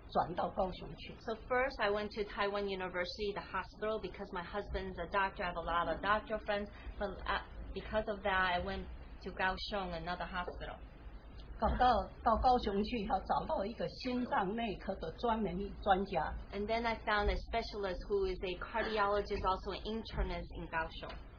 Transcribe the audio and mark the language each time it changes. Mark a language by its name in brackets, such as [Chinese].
[English] So first I went to Taiwan University, the hospital, because my husband's a doctor, I have a lot of doctor friends, but because of that I went to Kaohsiung, another hospital. [Chinese] 到高雄去以后找到一个心脏内科的专门专家。 [English] And then I found a specialist who is a cardiologist, also an internist in Kaohsiung.